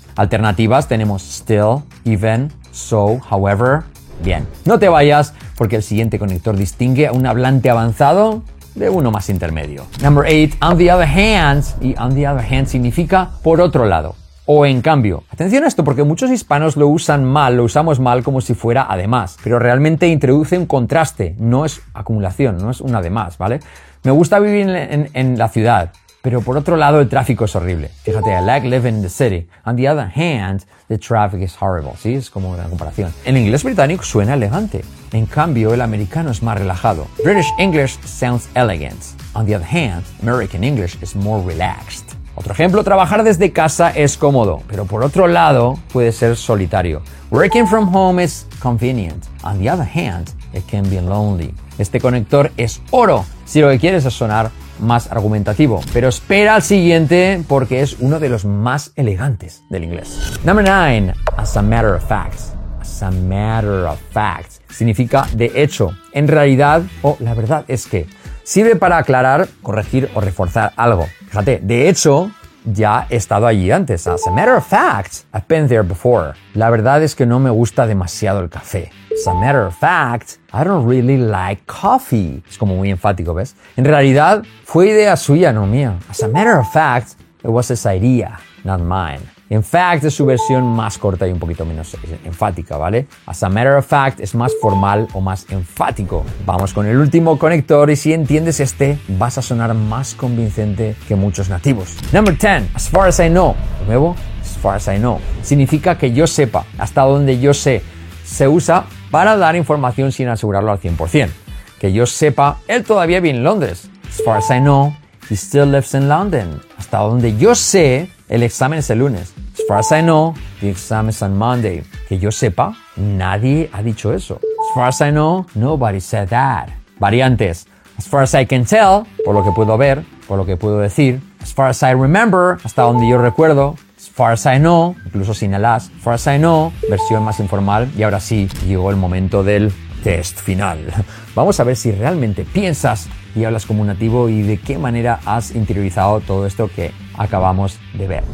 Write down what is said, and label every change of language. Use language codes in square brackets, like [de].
[es] Alternativas tenemos still, even, so, however. Bien, no te vayas porque el siguiente conector distingue a un hablante avanzado de uno más intermedio. [en] Number 8, on the other hand. Y on the other hand [es] significa por otro lado o en cambio. Atención a esto porque muchos hispanos lo usan mal, lo usamos mal como si fuera además. Pero realmente introduce un contraste, no es acumulación, no es un además, ¿vale? Me gusta vivir en la ciudad. Pero por otro lado, el tráfico es horrible. Fíjate, [en] I like living in the city. On the other hand, the traffic is horrible. [es] ¿Sí? Es como una comparación. En inglés británico suena elegante. En cambio, el americano es más relajado. [en] British English sounds elegant. On the other hand, American English is more relaxed. [es] Otro ejemplo, trabajar desde casa es cómodo. Pero por otro lado, puede ser solitario. [en] Working from home is convenient. On the other hand, it can be lonely. [es] Este conector es oro si lo que quieres es sonar más argumentativo. Pero espera al siguiente porque es uno de los más elegantes del inglés. [en] Number 9. As a matter of fact. As a matter of fact. [es] Significa de hecho, en realidad o la verdad es que. Sirve para aclarar, corregir o reforzar algo. Fíjate, de hecho, ya he estado allí antes. [en] As a matter of fact, I've been there before. [es] La verdad es que no me gusta demasiado el café. [en] As a matter of fact, I don't really like coffee. [es] Es como muy enfático, ¿ves? En realidad, fue idea suya, no mía. [en] As a matter of fact, it was his idea, not mine. [es] In fact, es su versión más corta y un poquito menos enfática, ¿vale? As a matter of fact, es más formal o más enfático. Vamos con el último conector y si entiendes este, vas a sonar más convincente que muchos nativos. [en] Number 10, as far as I know. [es] De nuevo, [en] as far as I know. [es] Significa que yo sepa, hasta donde yo sé. Se usa para dar información sin asegurarlo al 100%. Que yo sepa, él todavía vive en Londres. [en] As far as I know, he still lives in London. [es] Hasta donde yo sé, el examen es el lunes. [en] As far as I know, the exam is on Monday. [es] Que yo sepa, nadie ha dicho eso. [en] As far as I know, nobody said that. [es] Variantes. [en] As far as I can tell, [es] por lo que puedo ver, por lo que puedo decir. [en] As far as I remember, [es] hasta donde yo recuerdo. [en] As far as I know, [es] incluso sin el [en] as. As far as I know, [es] versión más informal. Y ahora sí, llegó el momento del test final. Vamos a ver si realmente piensas y hablas como un nativo y de qué manera has interiorizado todo esto que acabamos de ver.